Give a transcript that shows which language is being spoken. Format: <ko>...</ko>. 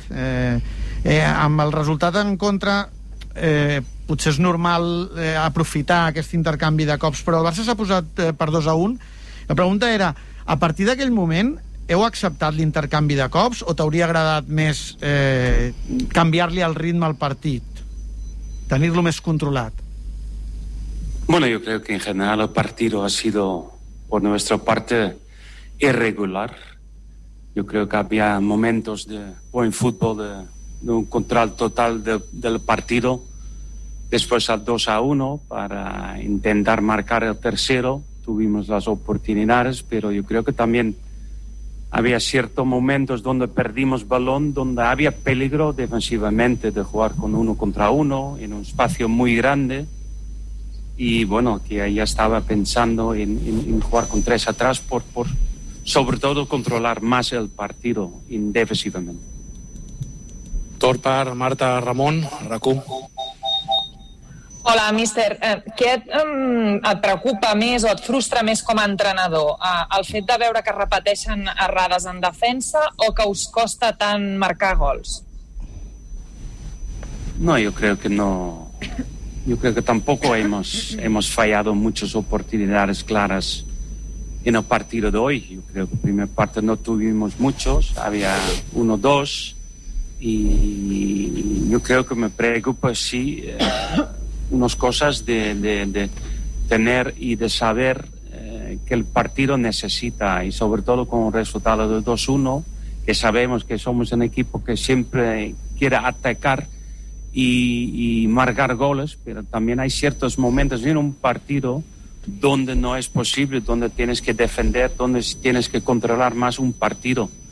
<ca>Amb el resultat en contra, potser és normal aprofitar aquest intercanvi de cops, però el Barça s'ha posat per 2-1. La pregunta era, a partir d'aquell moment, heu acceptat l'intercanvi de cops o t'hauria agradat més canviar-li el ritme al partit, tenir-lo més controlat?</ca> <es>Bueno, yo creo que en general el partido ha sido, por nuestra parte, irregular. Yo creo que había momentos de buen fútbol, de un control total del partido. Después al 2-1 para intentar marcar el tercero, tuvimos las oportunidades, pero yo creo que también había ciertos momentos donde perdimos balón, donde había peligro defensivamente de jugar con uno contra uno en un espacio muy grande. Y bueno, que ya estaba pensando en jugar con tres atrás por sobre todo controlar más el partido defensivamente.</es> <ca>Tor per Marta Ramon, RAC1. Hola, míster. Què et preocupa més o et frustra més com a entrenador? El fet de veure que repeteixen errades en defensa o que us costa tant marcar gols?</ca> <es>No, yo creo que no. Yo creo que tampoco hemos fallado muchas oportunidades claras en el partido de hoy. Yo creo que en primera parte no tuvimos muchos, había uno o dos. Y yo creo que me preocupa, sí, unas cosas de tener y de saber que el partido necesita, y sobre todo con el resultado de 2-1, que sabemos que somos un equipo que siempre quiere atacar y marcar goles, pero también hay ciertos momentos en un partido donde no es posible, donde tienes que defender, donde tienes que controlar más un partido.</es>